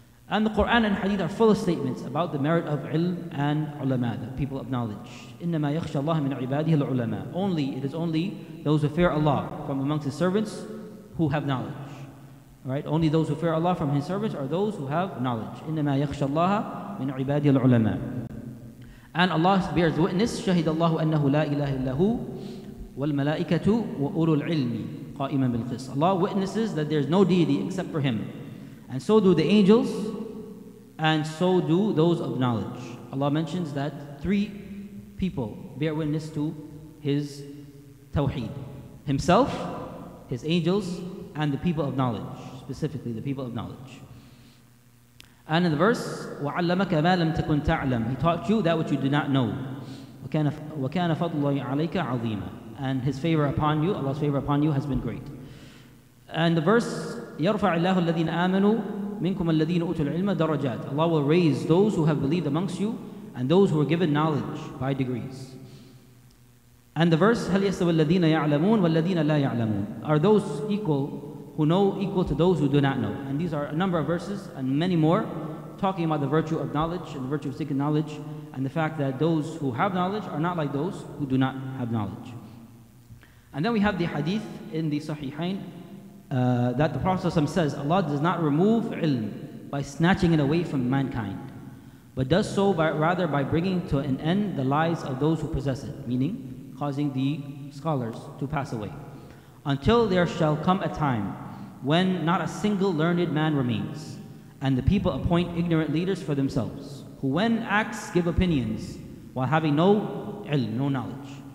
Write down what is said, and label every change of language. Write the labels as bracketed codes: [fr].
[en] And the Qur'an and hadith are full of statements about the merit of ilm and ulama, the people of knowledge. [ar] إِنَّمَا يَخْشَى اللَّهَ مِنْ عِبَادِهِ الْعُلَمَاء. [en] Only, it is only those who fear Allah from amongst His servants who have knowledge. Right, only those who fear Allah from His servants are those who have knowledge. [ar] إِنَّمَا يَخْشَى اللَّهَ مِنْ عِبَادِ الْعُلَمَاءِ. [en] And Allah bears witness, [ar] شَهِدَ اللَّهُ أَنَّهُ لَا إِلَهَ إِلَّهُ وَالْمَلَائِكَةُ وَأُولُو الْعِلْمِ قَائِمًا بِالْقِسْطِ. [en] Allah witnesses that there is no deity except for Him. And so do the angels, and so do those of knowledge. Allah mentions that three people bear witness to His tawheed: Himself, His angels, and the people of knowledge, specifically the people of knowledge. And in the verse, [ar] وَعَلَّمَكَ مَا لَمْ تَكُنْ تَعْلَمْ. [en] He taught you that which you did not know. [ar] وَكَانَ فَضْلُ اللَّهِ عَلَيْكَ عَظِيمًا. [en] And His favor upon you, Allah's favor upon you, has been great. And the verse, [ar] يَرْفَعِ اللَّهُ الَّذِينَ آمَنُوا مِنْكُمَ الَّذِينَ أُوتُوا الْعِلْمَ دَرَجَاتٍ. [en] Allah will raise those who have believed amongst you and those who are given knowledge by degrees. And the verse, [ar] هَلْ يَسْتَوَى الَّذِينَ يَعْلَمُونَ وَالَّذِينَ لَا يَعْلَمُونَ. [en] Are those equal who know equal to those who do not know? And these are a number of verses and many more talking about the virtue of knowledge and the virtue of seeking knowledge and the fact that those who have knowledge are not like those who do not have knowledge. And then we have the hadith in the Sahihain that the Prophet ﷺ says, Allah does not remove ilm by snatching it away from mankind, but does so by bringing to an end the lives of those who possess it, meaning causing the scholars to pass away, until there shall come a time when not a single learned man remains, and the people appoint ignorant leaders for themselves, who when acts give opinions while having no ilm, no knowledge.